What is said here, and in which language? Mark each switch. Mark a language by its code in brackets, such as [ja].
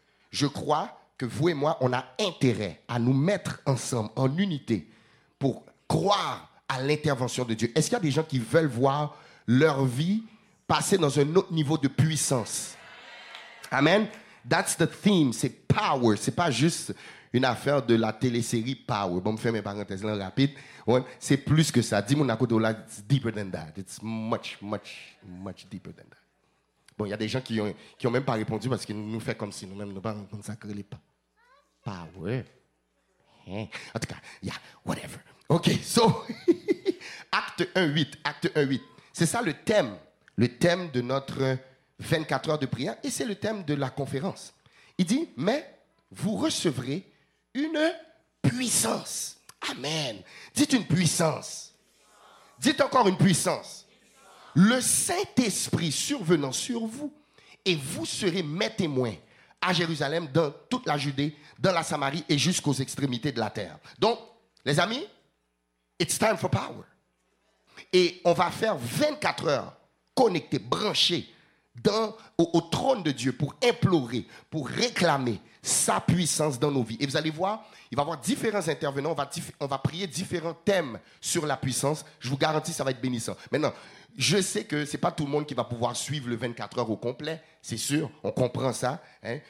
[fr] Je crois que vous et moi, on a intérêt à nous mettre ensemble, en unité, pour croire à l'intervention de Dieu. Est-ce qu'il y a des gens qui veulent voir leur vie passer dans un autre niveau de puissance? Amen. [en] That's the theme, [fr] c'est power. C'est pas juste une affaire de la télésérie Power. Bon, je fais mes parenthèses là rapide. Ouais, c'est plus que ça. Dis-moi, [en] it's deeper than that. It's much, much, much deeper than that. [fr] Bon, il y a des gens qui ont même pas répondu parce qu'ils nous font comme si nous-mêmes ne pas consacrer les pas. Power. Hein? En tout cas, yeah, whatever. [en] OK, so, acte 1, 8. [fr] C'est ça le thème de notre 24 heures de prière et c'est le thème de la conférence. Il dit, mais vous recevrez une puissance. Amen. Dites une puissance. Dites encore une puissance. Le Saint-Esprit survenant sur vous et vous serez mes témoins à Jérusalem, dans toute la Judée, dans la Samarie et jusqu'aux extrémités de la terre. Donc, les amis, [en] it's time for power. [fr] Et on va faire 24 heures connectées, branchées au trône de Dieu pour implorer, pour réclamer sa puissance dans nos vies. Et vous allez voir, il va y avoir différents intervenants, on va prier différents thèmes sur la puissance. Je vous garantis, ça va être bénissant. Maintenant, je sais que ce n'est pas tout le monde qui va pouvoir suivre le 24 heures au complet, c'est sûr, on comprend ça, hein?